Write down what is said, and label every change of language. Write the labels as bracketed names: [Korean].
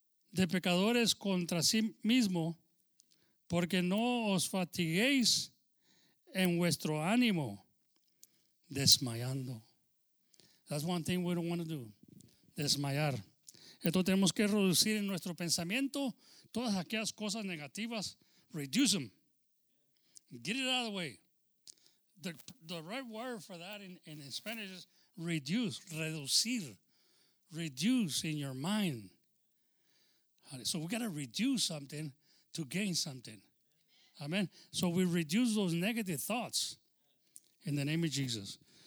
[Spanish] de pecadores contra sí mismo, porque no os fatiguéis en vuestro ánimo, desmayando. [English] That's one thing we don't want to do, desmayar. [Spanish] Entonces tenemos que reducir en nuestro pensamiento todas aquellas cosas negativas, [English] reduce them. Get it out of the way. The right word for that in Spanish is reduce, reducir. Reduce in your mind. So we got to reduce something to gain something. Amen. So we reduce those negative thoughts in the name of Jesus.